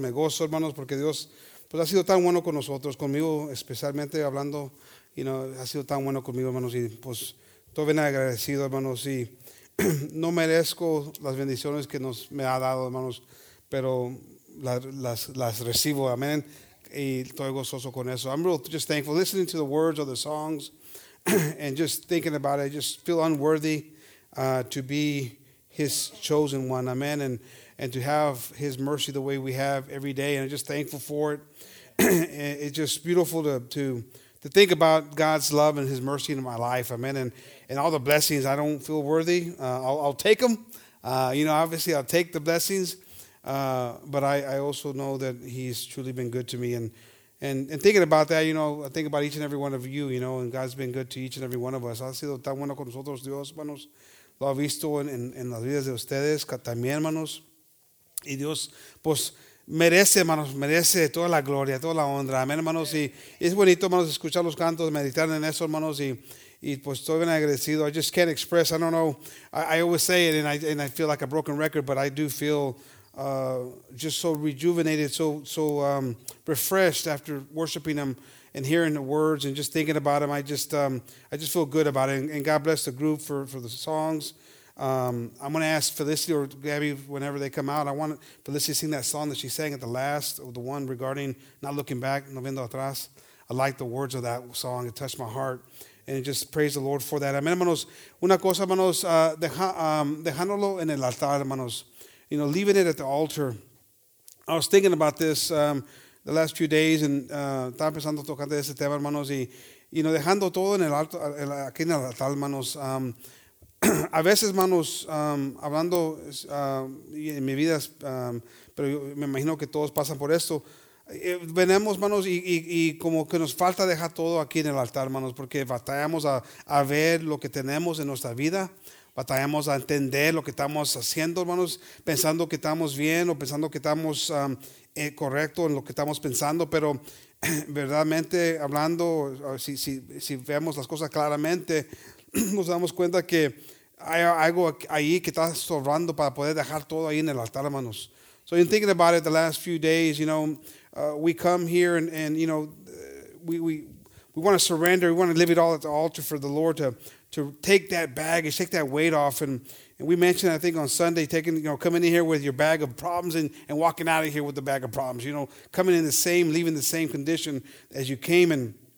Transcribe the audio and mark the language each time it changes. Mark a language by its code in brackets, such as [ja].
[es] Me gozo, hermanos, porque Dios pues ha sido tan bueno con nosotros, conmigo especialmente hablando, y [en] you know, [es] ha sido tan bueno conmigo, hermanos. Y pues todo bien agradecido, hermanos. Y no merezco las bendiciones que nos me ha dado, hermanos, pero las recibo, amén. Y estoy gozoso con eso. [en] I'm real just thankful listening to the words of the songs. And just thinking about it, I just feel unworthy to be his chosen one, amen, and to have his mercy the way we have every day, and I'm just thankful for it. It's just beautiful to think about God's love and his mercy in my life, amen, and all the blessings. I don't feel worthy. I'll take them. You know, obviously I'll take the blessings, but I also know that he's truly been good to me. And thinking about that, you know, I think about each and every one of you, you know, and God's been good to each and every one of us. [es] Ha sido tan bueno con nosotros, Dios, hermanos. Lo ha visto en las vidas de ustedes, también, hermanos. Y Dios, pues, merece, hermanos, merece toda la gloria, toda la honra. Amén, hermanos. Y es bonito, hermanos, escuchar los cantos, meditar en eso, hermanos. Y pues, estoy bien agradecido. [en] I just can't express, I don't know. I always say it, and I feel like a broken record, but I do feel... just so rejuvenated, so refreshed after worshiping him and hearing the words and just thinking about him. I just feel good about it. And God bless the group for the songs. I'm going to ask Felicity or Gabby whenever they come out. I want Felicity to sing that song that she sang at the last, the one regarding not looking back, [es] no viendo atrás. [en] I like the words of that song. It touched my heart. And just praise the Lord for that. Amen, hermanos. [es] Una cosa, hermanos, dejándolo en el altar, hermanos. [en] You know, leaving it at the altar. I was thinking about this the last few days, and [es] estaba pensando tocando ese tema, hermanos, y, [en] you know, [es] dejando todo en el alto, aquí en el altar, hermanos. a veces, hermanos, hablando en mi vida, pero yo me imagino que todos pasan por esto. Venemos, hermanos, y como que nos falta dejar todo aquí en el altar, hermanos, porque batallamos a ver lo que tenemos en nuestra vida. Batallamos a entender lo que estamos haciendo, hermanos, pensando que estamos bien o pensando que estamos correcto en lo que estamos pensando, pero verdaderamente hablando, si vemos las cosas claramente, nos damos cuenta que hay algo ahí que está sobrando para poder dejar todo ahí en el altar, hermanos. [en] So in thinking about it the last few days, you know, we come here and you know, we want to surrender, we want to leave it all at the altar for the Lord to take that baggage, take that weight off. And we mentioned, I think, on Sunday, taking, you know, coming in here with your bag of problems and walking out of here with the bag of problems, you know, coming in the same, leaving the same condition as you came in.